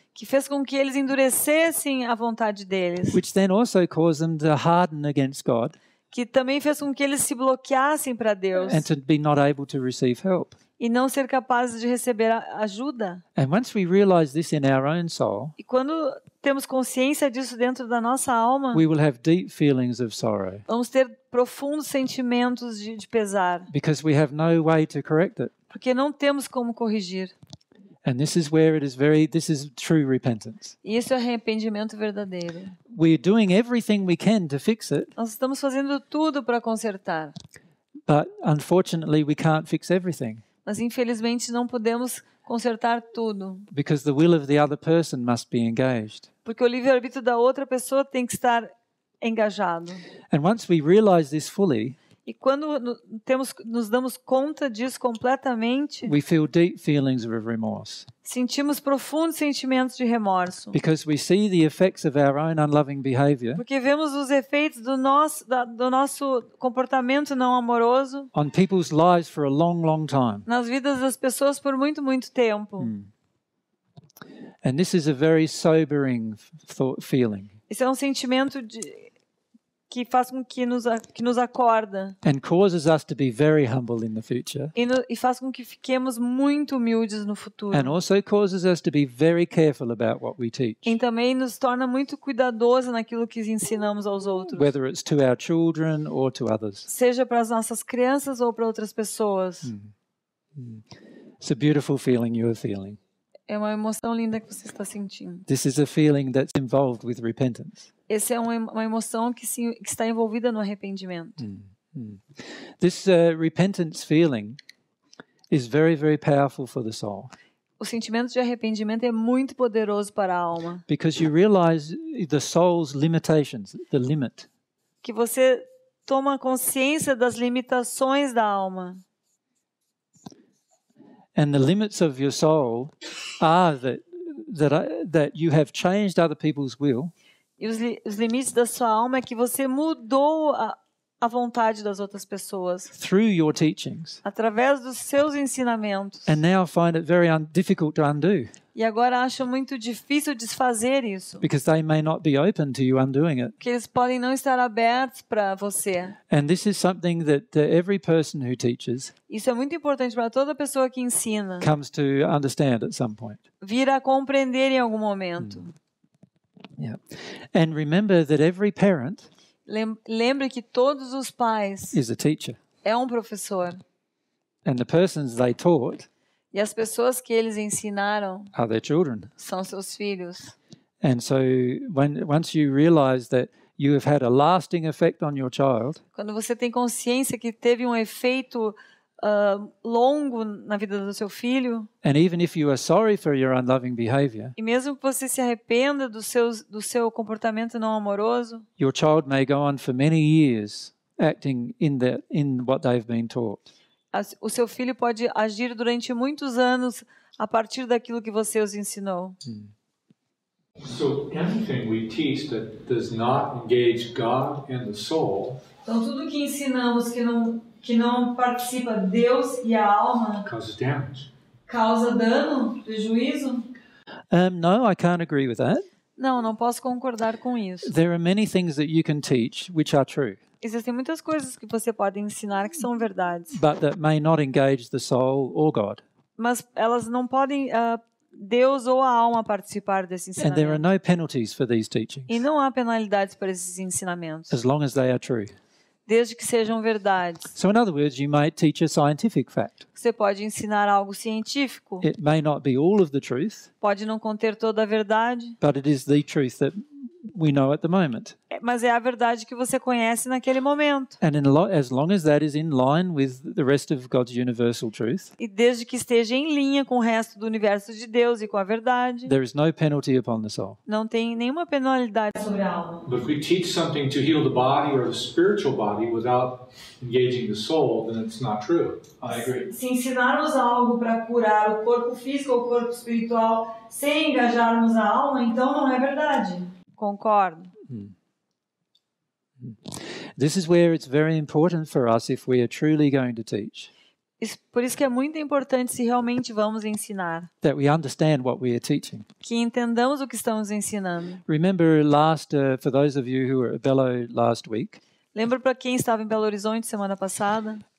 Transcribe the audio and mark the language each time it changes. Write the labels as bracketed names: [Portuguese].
[Portuguese] que fez com que eles endurecessem a vontade deles, [English] which then also caused them to harden against God, [Portuguese] que também fez com que eles se bloqueassem para Deus, [English] and to be not able to receive help. [Portuguese] E não ser capazes de receber ajuda. [English] And once we realize this in our own soul, [Portuguese] e quando temos consciência disso dentro da nossa alma, [English] we will have deep feelings of sorrow. [Portuguese] Vamos ter profundos sentimentos de pesar. [English] Because we have no way to correct it. [Portuguese] Porque não temos como corrigir. [English] And this is where it is this is true repentance. [Portuguese] E isso é arrependimento verdadeiro. [English] We're doing everything we can to fix it. [Portuguese] Nós estamos fazendo tudo para consertar. [English] But unfortunately, we can't fix everything. [Portuguese] Mas infelizmente não podemos consertar tudo. [English] Because the will of the other person must be engaged. [Portuguese] Porque o livre-arbítrio da outra pessoa tem que estar engajado. [English] And once we realize this fully, [Portuguese] E quando nos damos conta disso completamente, [English] we feel deep feelings of remorse. [Portuguese] Sentimos profundos sentimentos de remorso. [English] Because we see the effects of our own unloving behavior. [Portuguese] Porque vemos os efeitos do nosso comportamento não amoroso. [English] On people's lives for a long, long time. [Portuguese] Nas vidas das pessoas por muito, muito tempo. [English] And this is a very sobering feeling. [Portuguese] Esse é um sentimento que faz com que nos acorda. [English] And causes us to be very humble in the future. [Portuguese] E faz com que fiquemos muito humildes no futuro. [English] And also causes us to be very careful about what we teach. [Portuguese] E também nos torna muito cuidadosos naquilo que ensinamos aos outros. [English] Whether it's to our children or to others. [Portuguese] Seja para as nossas crianças ou para outras pessoas. [English] It's a beautiful feeling you're feeling. [Portuguese] É uma emoção linda que você está sentindo. [English] This is a feeling that's involved with repentance. [Portuguese] Essa é uma emoção que está envolvida no arrependimento. [English] This repentance feeling is very, very powerful for the soul. [Portuguese] O sentimento de arrependimento é muito poderoso para a alma. [English] Because you realize the soul's limitations, the limit. [Portuguese] Que você toma consciência das limitações da alma. [English] And the limits of your soul are that you have changed other people's will. [Portuguese] E os limites da sua alma é que você mudou a vontade das outras pessoas. [English] Through your teachings. [Portuguese] Através dos seus ensinamentos. [English] And now I find it very difficult to undo. [Portuguese] E agora acho muito difícil desfazer isso. [English] Because they may not be open to you undoing it. [Portuguese] Porque eles podem não estar abertos para você. [English] And this is something that every person who teaches. [Portuguese] Isso é muito importante para toda pessoa que ensina. [English] Comes to understand at some point. [Portuguese] Vir a compreender em algum momento. [English] Yeah. And remember that every parent. [Portuguese] Lembre que todos os pais. [English] Is a teacher. [Portuguese] É um professor. [English] And the persons they taught. [Portuguese] E as pessoas que eles ensinaram são seus filhos. [English] And so once you realize that you have had a lasting effect on your child, [Portuguese] quando você tem consciência que teve um efeito longo na vida do seu filho, [English] and even if you are sorry for your unloving behavior, [Portuguese] e mesmo que você se arrependa do seu comportamento não amoroso, [English] your child may go on for many years acting in what they've been taught. [Portuguese] O seu filho pode agir durante muitos anos a partir daquilo que você os ensinou. [English] So anything we teach that does not engage God and the soul. [Portuguese] Então tudo que ensinamos que não participa Deus e a alma. [English] Causes damage. [Portuguese] Causa dano, prejuízo. [English] No, I can't agree with that. [Portuguese] Não, não posso concordar com isso. [English] There are many things that you can teach which are true. [Portuguese] Existem muitas coisas que você pode ensinar que são verdades. [English] But that may not engage the soul or God. [Portuguese] Mas elas não podem Deus ou a alma participar desse ensinamento. [English] And there are no penalties for these teachings. [Portuguese] E não há penalidades para esses ensinamentos. [English] As long as they are true. [Portuguese] Desde que sejam verdades. [English] So in other words, you might teach a scientific fact. [Portuguese] Você pode ensinar algo científico. [English] It may not be all of the truth. [Portuguese] Pode não conter toda a verdade. [English] But it is the truth that we know at the moment. [Portuguese] Mas é a verdade que você conhece naquele momento. [English] And as long as that is in line with the rest of God's universal truth. [Portuguese] E desde que esteja em linha com o resto do universo de Deus e com a verdade. [English] There is no penalty upon the soul. [Portuguese] Não tem nenhuma penalidade sobre a alma. [English] But if we teach something to heal the body or the spiritual body without engaging the soul, then it's not true. I agree. [Portuguese] Se ensinarmos algo para curar o corpo físico ou o corpo espiritual sem engajarmos a alma, então não é verdade. Concordo. [English] This is where it's very important for us if we are truly going to teach. [Portuguese] Por isso que é muito importante se realmente vamos ensinar. [English] That we understand what we are teaching. [Portuguese] Que entendamos o que estamos ensinando. [English] Remember last for those of you who were at Belo last week. [Portuguese] Lembra para quem estava em Belo Horizonte semana passada?